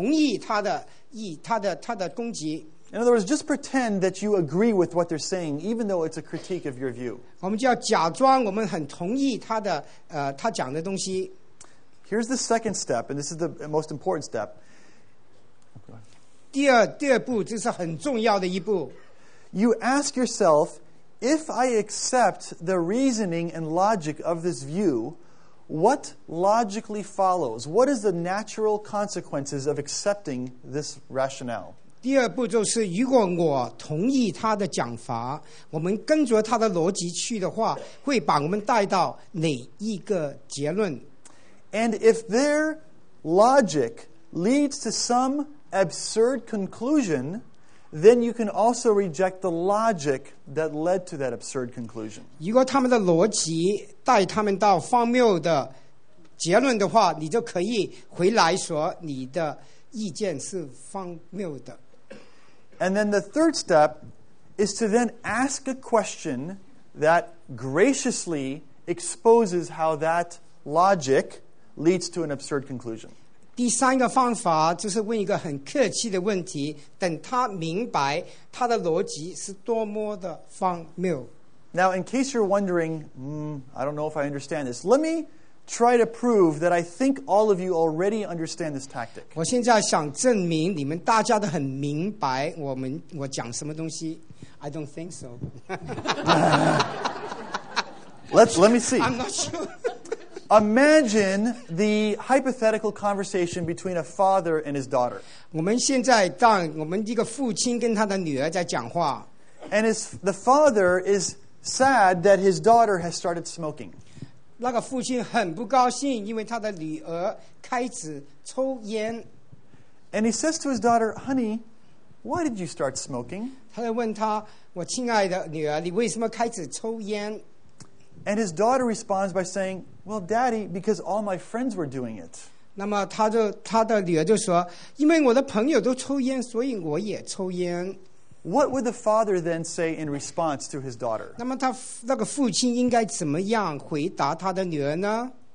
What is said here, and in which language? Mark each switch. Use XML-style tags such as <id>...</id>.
<zh>头一步就是我们假装我们同意他的攻击。</zh> <en>In other words, just pretend that you agree with what they're saying, even though it's a critique of your view.</en> <zh>我们就要假装我们很同意他讲的东西。</zh> <en>Here's the second step, and this is the most important step.</en> <zh>第二步,这是很重要的一步。</zh> <en>You ask yourself, if I accept the reasoning and logic of this view, what logically follows? What is the natural consequences of accepting this rationale?</en> <zh>第二步就是如果我同意他的讲法，我们跟着他的逻辑去的话，会把我们带到哪一个结论？</zh> <en>And if their logic leads to some absurd conclusion, then you can also reject the logic that led to that absurd conclusion.</en> <zh>如果他们的逻辑带他们到荒谬的结论的话，你就可以回来说你的意见是荒谬的。</zh> <en>And then the third step is to then ask a question that graciously exposes how that logic leads to an absurd conclusion.</en> <zh>第三个方法就是问一个很客气的问题，等他明白他的逻辑是多么的荒谬。</zh> <en>Now, in case you're wondering, I don't know if I understand this, let me try to prove that I think all of you already understand this tactic.</en> <zh>我现在想证明你们大家都很明白我讲什么东西。</zh> <en>I don't think so. let me see. I'm not sure. Imagine the hypothetical conversation between a father and his daughter.</en> <zh>我们现在当我们一个父亲跟他的女儿在讲话。</zh> <en>And the father is sad that his daughter has started smoking.</en> <zh>那个父亲很不高兴，因为他的女儿开始抽烟。</zh> <en>And he says to his daughter, "Honey, why did you start smoking?"</en> <zh>他在问他，我亲爱的女儿，你为什么开始抽烟？</zh> <en>And his daughter responds by saying, "Well, Daddy, because all my friends were doing it."</en> <zh>那么他的女儿就说，因为我的朋友都抽烟，所以我也抽烟。</zh> <en>What would the father then say in response to his daughter?</en> <zh>那么他那个父亲应该怎么样回答他的女儿呢？</zh>